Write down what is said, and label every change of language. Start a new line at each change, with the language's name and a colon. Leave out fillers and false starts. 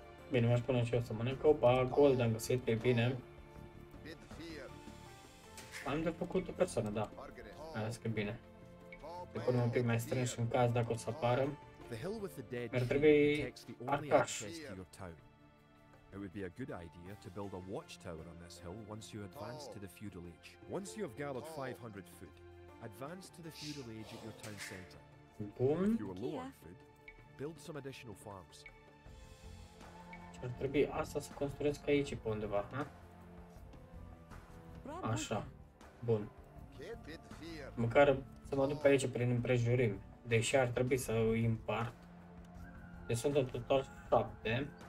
Romanian: Bine, m-aș pune și eu să mănânc. Opa, gold am găsit, pe bine. Am de făcut o persoană, da. Azi că bine. Te punem un pic mai strâns în caz dacă o să apară. Mi-ar trebui arcaș.
English: It would be a good idea to build a watchtower on this hill once you advance to the feudal age. Once you have gathered 500 food, advance to the feudal age at your town center.
Romanian: Bun.
English: If you are low on food, build some additional farms.
Romanian: Ar trebui asta să construiesc aici pe undeva, ha? Așa. Bun. Măcar să mă duc pe aici prin împrejurimi. Deși ar trebui să îi împart. Deci sunt în total 7.